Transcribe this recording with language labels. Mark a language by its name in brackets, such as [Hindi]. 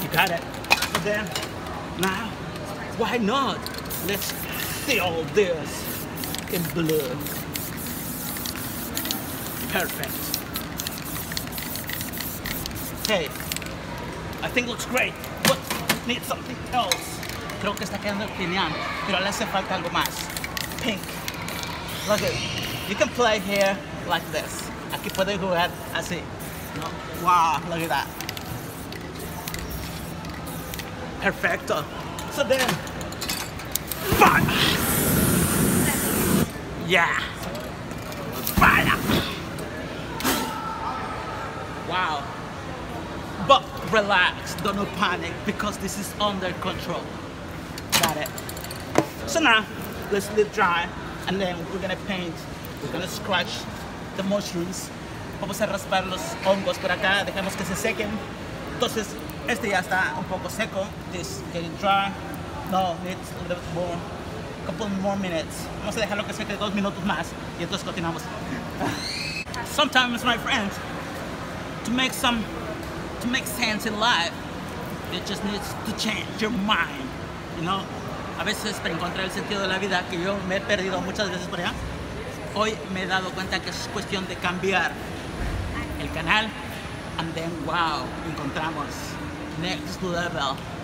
[English] You got it. And then, now, why not? Let's seal this in blue. Perfect. Hey, I think it looks great, but need something else. [Spanish] Creo que está quedando genial, pero le hace falta algo más. [English] Pink. Look at it. You can play here like this. [Spanish] Aquí puede jugar así. No. [English] Wow, look at that. [Spanish] Perfecto. [English] So then. Fire! Yeah. Fire! Wow. But relax, don't panic, because this is under control. Got it. So now, let's let it dry, and then we're gonna paint. We're gonna scratch the mushrooms. [Spanish] Vamos a raspar los hongos por acá. Dejamos que se sequen. Entonces, este ya está un poco seco. [English] This getting dry. No, needs a little bit more. A couple more minutes. [Spanish] Vamos a dejarlo que seque 2 minutos más, y entonces continuamos. [English] Sometimes, my friends, to make sense in life, you just need to change your mind. You know, [Spanish] a veces para encontrar el sentido de la vida que yo me he perdido muchas veces por allá, hoy me he dado cuenta que es cuestión de cambiar el canal, [English] and then wow, [Spanish] encontramos [English] next level.